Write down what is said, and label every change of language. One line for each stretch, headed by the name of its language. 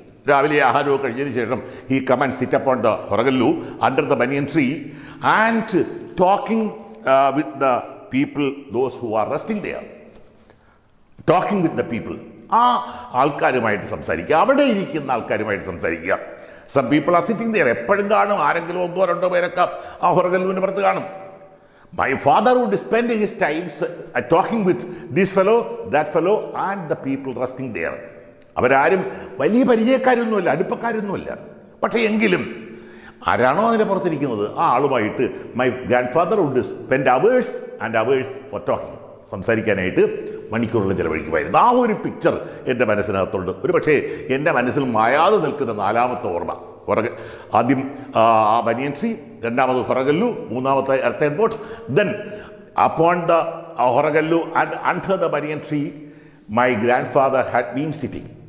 Malayalam: രാവിലെ ആഹാരവും കഴിഞ്ഞതിന് ശേഷം
English: he come and sit upon the horagallu under the banyan tree and talking with the people those who are resting there, talking with the people,
Malayalam: ആ ആൾക്കാരുമായിട്ട് സംസാരിക്കുക, അവിടെ ഇരിക്കുന്ന ആൾക്കാരുമായിട്ട് സംസാരിക്കുക.
English: some people are sitting there,
Malayalam: എപ്പോഴും കാണും ആരെങ്കിലും ഒന്നോ രണ്ടോ പേരൊക്കെ ആ ഹൊറഗല്ലുവിന് പുറത്ത് കാണും.
English: My father would spend his times talking with this fellow, that fellow and the people resting there.
Malayalam: അവരാരും വലിയ പരിചയക്കാരൊന്നുമില്ല, അടുപ്പക്കാരൊന്നുമില്ല. പക്ഷേ എങ്കിലും ആരാണോ അതിനെ പുറത്തിരിക്കുന്നത് ആ ആളുമായിട്ട്
English: my grandfather would spend hours and hours for talking,
Malayalam: സംസാരിക്കാനായിട്ട് മണിക്കൂറുകൾ ചിലവഴിക്കുമായിരുന്നു. ആ ഒരു പിക്ചർ എൻ്റെ മനസ്സിനകത്തുണ്ട്. ഒരു പക്ഷേ എൻ്റെ മനസ്സിൽ മായാതെ നിൽക്കുന്ന നാലാമത്തെ ഓർമ്മ ഹൊറഗ, ആദ്യം ആ ബനിയൻ ട്രീ, രണ്ടാമത് ഹൊറഗല്ലു, മൂന്നാമത്തെ earthen boat,
English: Then upon the horagallu and under the banyan tree my grandfather had been sitting.